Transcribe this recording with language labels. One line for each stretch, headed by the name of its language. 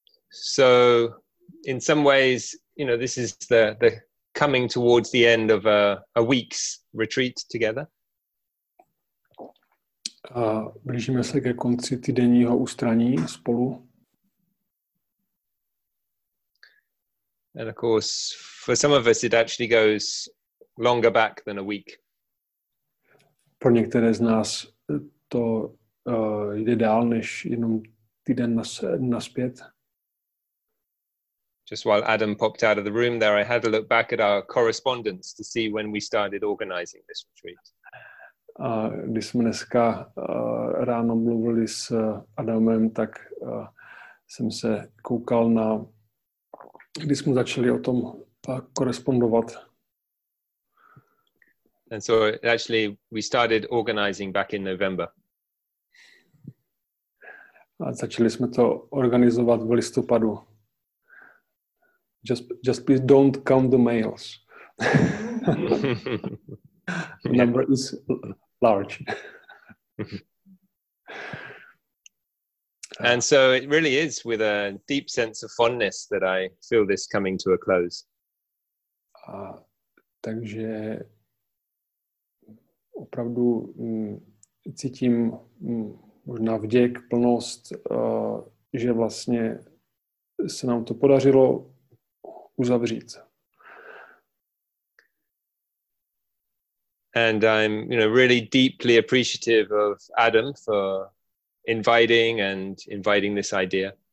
English: So, in some ways, you know, this is the coming towards the end of a week's retreat together.
Czech: Blížíme se ke konci týdenního ústraní spolu.
English: And of course, for some of us, it actually goes longer back than a week.
Czech: Pro některé z nás to jde dál než jenom týden naspět.
English: Just while Adam popped out of the room there, I had a look back at our correspondence to see when we started organizing this retreat.
Czech: Když jsme dneska ráno mluvili s Adamem, tak jsem se koukal na, když jsme začali o tom korespondovat.
English: And so actually we started organizing back in November.
Czech: A začali jsme to organizovat v listopadu.
English: Just please don't count the mails. The number is large. And so it really is with a deep sense of fondness that I feel this coming to a close.
Czech: Takže opravdu cítím možná vděk, plnost, že vlastně se nám to podařilo uzavřít.
English: And I'm, you know, really deeply appreciative of Adam for inviting this idea.